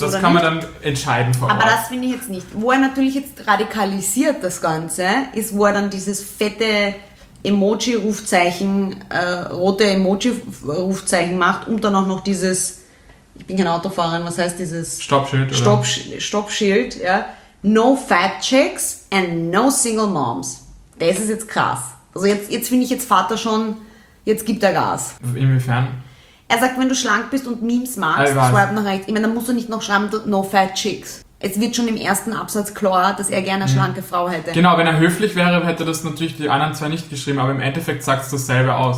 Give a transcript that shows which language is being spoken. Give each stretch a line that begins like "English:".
German: Ja, das kann man dann entscheiden vor Ort. Aber das finde ich jetzt nicht. Wo er natürlich jetzt radikalisiert das Ganze, ist, wo er dann dieses fette Emoji-Rufzeichen, rote Emoji-Rufzeichen macht und dann auch noch dieses, ich bin kein Autofahrerin, was heißt dieses? Stoppschild, ja.
English: No fat chicks and no single moms.
German: Das ist jetzt krass. Also jetzt finde ich jetzt Vater schon, jetzt gibt er Gas. Inwiefern? Er sagt, wenn du schlank bist und Memes magst, schreib nach rechts. Ich meine, dann musst du nicht noch schreiben,
English: no fat chicks.
German: es wird schon im ersten Absatz klar, dass er gerne eine schlanke Frau hätte. Genau, wenn er höflich wäre, hätte das natürlich die anderen zwei nicht geschrieben, aber im Endeffekt sagt es dasselbe aus.